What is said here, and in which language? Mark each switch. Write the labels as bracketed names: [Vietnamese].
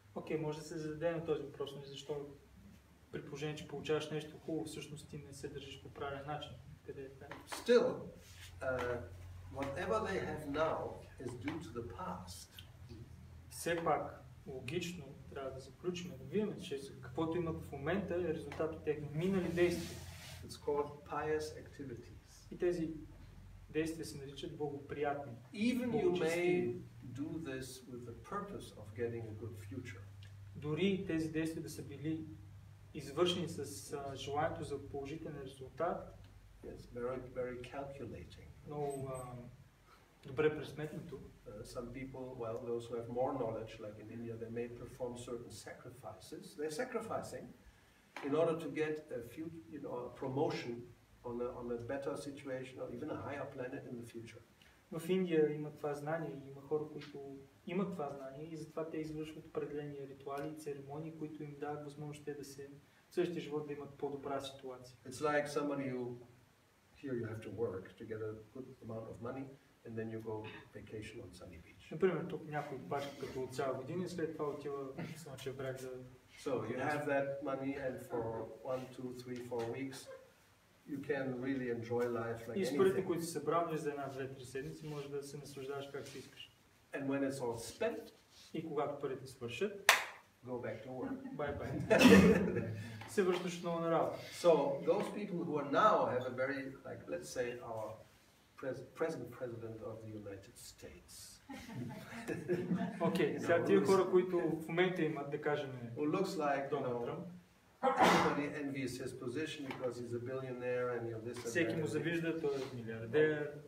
[Bulgarian] Okay, може да се зададем този въпрос, но защо при положение, че получаваш нещо хубаво, всъщност ти не се държиш по правилен начин. [English] Still, whatever they have now is due to the past. [Bulgarian] Все пак, логично, трябва да заключим, да видим, че каквото имат в момента е резултат от техни минали действия. [English] It's called pious activities. [Bulgarian] И тези действия се наричат благоприятни. [English] Even you may do this with the purpose of getting a good future. [Bulgarian] Дори тези действия да са били извършени с желанието за положителен резултат, [English] it's very calculating. [Bulgarian] Но добре пресметнато. [English] Some people, well, those who have more knowledge, like in India, they may perform certain sacrifices. They're sacrificing in order to get a few, you know, a promotion on a better situation or even a higher planet in the future. [Bulgarian] В Индия има това знание, има хора, които имат това знание и затова те извършват определени ритуали и церемонии, които им дават възможност те да се в същия живот да имат по-добра ситуация. [English] It's like somebody who here you have to work to get a good amount of money and then you go vacation on sunny beach. [Bulgarian] Например, тук някой бачка като цяла година и след това отива в Слънчев бряг за... [English] So you have that money and for 1, 2, 3, 4 weeks you can really enjoy life like anything. [Bulgarian] И с парите, които си събрал за 1, 2, 3 седмици, можеш да се наслаждаваш как си искаш. [English] And when it's all spent, [Bulgarian] и когато парите свършат, [English] go back to work. Bye-bye. [Bulgarian] Се връщаш отново на работа. [English] So, those people who are now have a very, like, let's say, our present president of the United States. [Bulgarian] Okay, сега тия хора, които в момента имат, да кажем, [English] who looks like, you know, everybody envies his position because he's a billionaire and you're this and that. [Bulgarian] Всеки му завижда, той е милиардер.